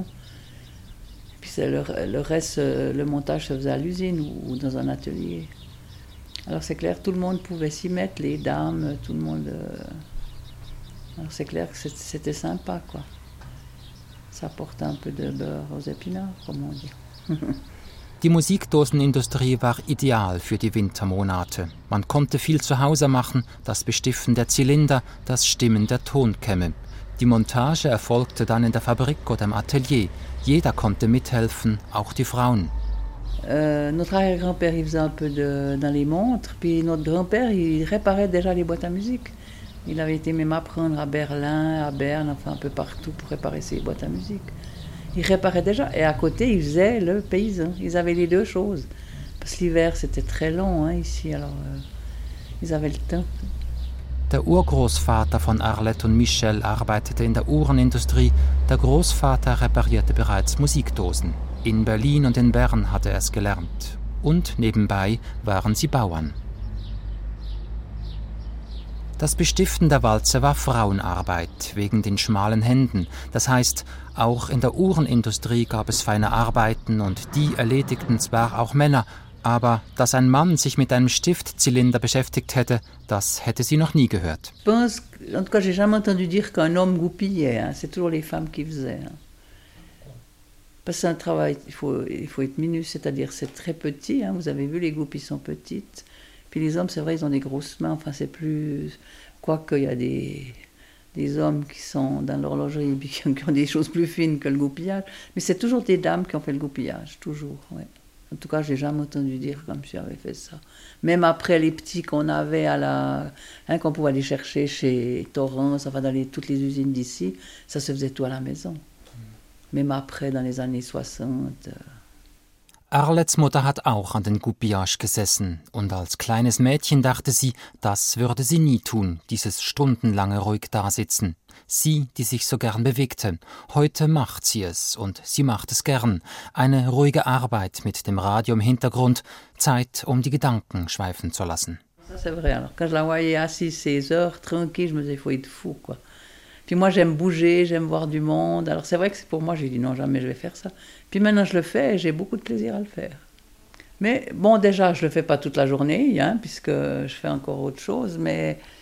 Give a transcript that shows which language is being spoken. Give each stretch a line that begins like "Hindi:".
French: Et puis c'est le reste, le montage se faisait à l'usine ou dans un atelier. Alors c'est clair, tout le monde pouvait s'y mettre, les dames, tout le monde. Alors c'est clair que c'était sympa, quoi. Ça apportait un peu de beurre aux épinards, comme on dit.
German: Die Musikdosenindustrie war ideal für die Wintermonate. Man konnte viel zu Hause machen, das Bestiffen der Zylinder, das Stimmen der Tonkämme. Die Montage erfolgte dann in der Fabrik oder im Atelier. Jeder konnte mithelfen, auch die Frauen.
French: Notre arrière-grand-père, il faisait un peu dans les montres, puis notre grand-père, il réparait déjà les boîtes à musique. Il avait été même apprendre à Berlin, à Berne, enfin un peu partout pour réparer ses boîtes à musique. Ils réparaient déjà et à côté, ils faisaient le paysan. Ils avaient les deux choses. Parce que l'hiver, c'était très long ici, alors ils avaient le temps.
German: Der Urgroßvater von Arlette und Michel arbeitete in der Uhrenindustrie, der Großvater reparierte bereits Musikdosen. In Berlin und in Bern hatte er es gelernt. Und nebenbei waren sie Bauern. Das Bestiften der Walze war Frauenarbeit, wegen den schmalen Händen. Das heißt, auch in der Uhrenindustrie gab es feine Arbeiten und die erledigten zwar auch Männer, aber dass ein Mann sich mit einem Stiftzylinder beschäftigt hätte, das hätte sie noch nie gehört.
French: Ich pense, en tout cas, j'ai jamais entendu dire qu'un homme goupillait, hein. C'est toujours les femmes qui faisaient. Hein. Parce que c'est un travail, il faut être minutieux, c'est-à-dire c'est très petit, hein. Vous avez vu, les goupilles sont petites. Puis les hommes, c'est vrai, ils ont des grosses mains, enfin c'est plus. Quoique il y a des hommes qui sont dans l'horlogerie et qui ont des choses plus fines que le goupillage, mais c'est toujours des dames qui ont fait le goupillage, toujours, ouais. En tout cas, je n'ai jamais entendu dire qu'un monsieur avait fait ça. Même après les petits qu'on avait à la. Hein, qu'on pouvait aller chercher chez Torrance, enfin dans toutes les usines d'ici, ça se faisait tout à la maison. Même après, dans les années 60.
German: Arlettes Mutter hat auch an den Goupillage gesessen. Und als kleines Mädchen dachte sie, das würde sie nie tun, dieses stundenlange ruhig dasitzen. Sie, die sich so gern bewegte. Heute macht sie es und sie macht es gern. Eine ruhige Arbeit mit dem Radio im Hintergrund. Zeit, um die Gedanken schweifen zu lassen.
French: Ça, c'est vrai. Alors, quand je la voyais assise 16 heures, tranquille, je me disais, faut être fou, quoi. Puis moi, j'aime bouger, j'aime voir du monde. Alors, c'est vrai que c'est pour moi, j'ai dit non, jamais je vais faire ça. Puis maintenant, je le fais et j'ai beaucoup de plaisir à le faire. Mais bon, déjà, je le fais pas toute la journée, hein, puisque je fais encore autre chose, mais.